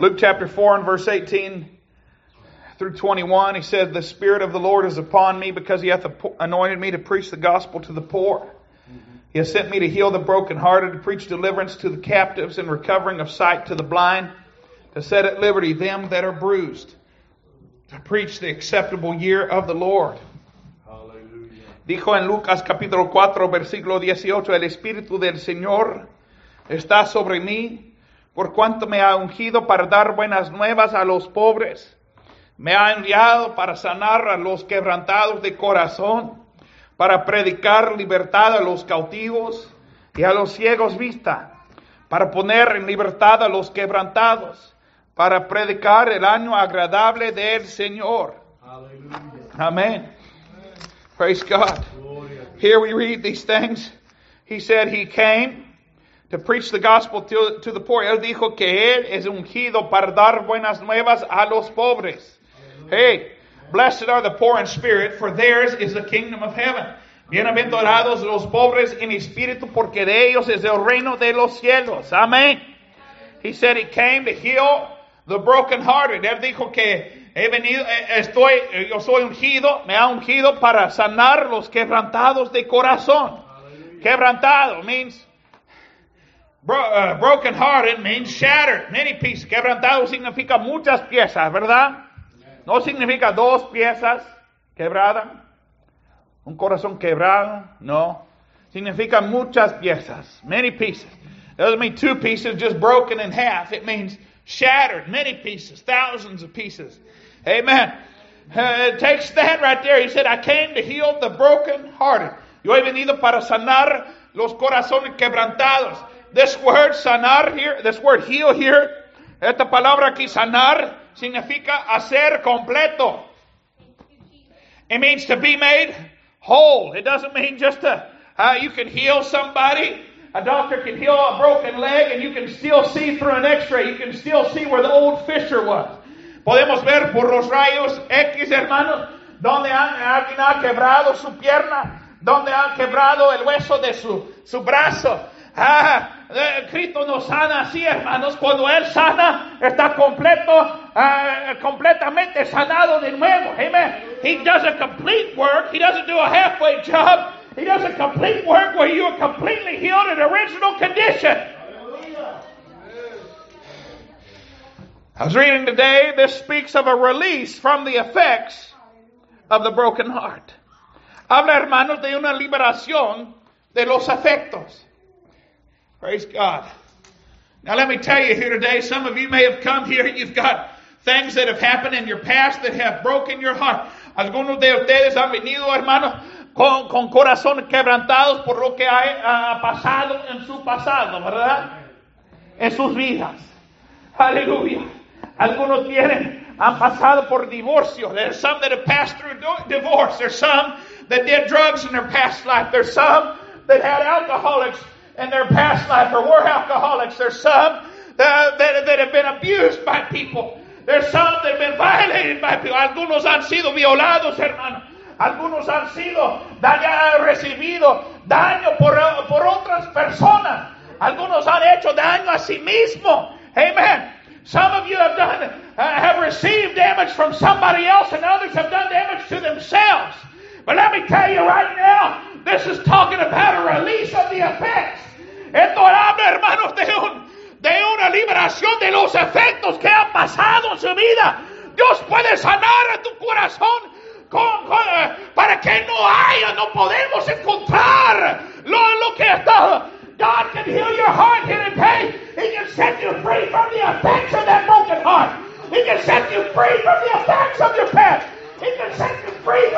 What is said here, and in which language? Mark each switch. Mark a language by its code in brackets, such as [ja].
[en] Luke chapter 4 and verse 18 through 21, he said, "The Spirit of the Lord is upon me because he hath anointed me to preach the gospel to the poor. Mm-hmm. He has sent me to heal the brokenhearted, to preach deliverance to the captives and recovering of sight to the blind, to set at liberty them that are bruised, to preach the acceptable year of the Lord." Hallelujah. [es] Dijo en Lucas capítulo 4, versículo 18, "El Espíritu del Señor está sobre mí, por cuanto me ha ungido para dar buenas nuevas a los pobres. Me ha enviado para sanar a los quebrantados de corazón, para predicar libertad a los cautivos y a los ciegos vista, para poner en libertad a los quebrantados, para predicar el año agradable del Señor." [en] Hallelujah. Amen. Praise God. Here we read these things. He said he came to preach the gospel to the poor. [es] Él dijo que él es ungido para dar buenas nuevas a los pobres. [en] Hey, blessed are the poor in spirit, for theirs is the kingdom of heaven. [es] Bienaventurados los pobres en espíritu, porque de ellos es el reino de los cielos. [en] Amen. He said he came to heal the brokenhearted. [es] Él dijo que he venido, estoy, yo soy ungido, me ha ungido para sanar los quebrantados de corazón. [en] Hallelujah. Quebrantado means broken hearted, means shattered, many pieces. [es] Quebrantado significa muchas piezas, ¿verdad? No significa dos piezas quebradas, un corazón quebrado, no. Significa muchas piezas, [en] many pieces. It doesn't mean two pieces just broken in half. It means shattered, many pieces, thousands of pieces. Amen. It takes that right there. He said, "I came to heal the broken hearted." [es] Yo he venido para sanar los corazones quebrantados. [en] This word sanar here, this word heal here, [es] esta palabra aquí sanar, significa hacer completo. [en] It means to be made whole. It doesn't mean just to, you can heal somebody. A doctor can heal a broken leg and you can still see through an x-ray. You can still see where the old fissure was. [es] Podemos ver por los rayos X, hermanos, donde alguien ha quebrado su pierna, donde ha quebrado el hueso de su brazo. Cristo nos sana así, hermanos. Cuando Él sana, está completamente sanado de nuevo. [en] Amen. He does a complete work. He doesn't do a halfway job. He does a complete work where you are completely healed in original condition. Hallelujah. I was reading today, this speaks of a release from the effects of the broken heart. [es] Habla, hermanos, de una liberación de los efectos. [en] Praise God. Now let me tell you here today, some of you may have come here, you've got things that have happened in your past that have broken your heart. [es] Algunos de ustedes han venido, hermano, con corazones quebrantados por lo que ha pasado en su pasado, ¿verdad? En sus vidas. Aleluya. Algunos tienen, han pasado por divorcio. [en] There's some that have passed through divorce. There's some that did drugs in their past life. There's some that had alcoholics in their past life or were alcoholics. There's some that have been abused by people. There's some that have been violated by people. [es] Algunos han sido violados, hermano. Algunos han sido recibido daño por otras personas. Algunos han hecho daño a sí mismo. Amen. [en] Some of you have received damage from somebody else, and others have done damage to themselves. But let me tell you right now, this is talking about a release of the effects. [es] Esto habla, hermanos, de una liberación de los efectos que han pasado en su vida. Dios puede sanar a tu corazón para que no haya, no podemos encontrar lo que está. [en] God can heal your heart here today. He can set you free from the effects of that broken heart. He can set you free from the effects of your past. He can set you free.